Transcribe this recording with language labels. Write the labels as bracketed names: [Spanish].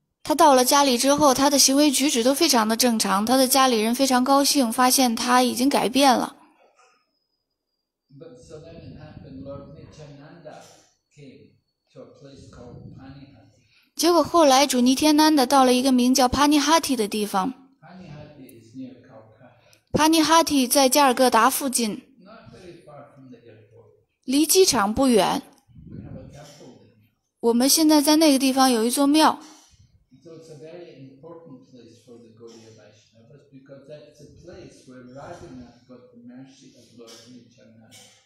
[Chinese] 他到了家里之后，他的行为举止都非常的正常，他的家里人非常高兴，发现他已经改变了。 [English] But so then it happened, Lord Nityananda came to a place called Panihati. [Chinese] 结果后来主尼天南达到了一个名叫 Panihati 的地方。 [English] Panihati is near Calcutta. [Chinese] Panihati 在加尔各答附近。 [English] Not very far from the airport. [Chinese] 离机场不远。 [English] We have a temple. [Chinese] 我们现在在那个地方有一座庙。 [English] So it's a very important place for the Gaudiya Vaishnavas because that's a place where Radhana got the mercy of Lord Nityananda.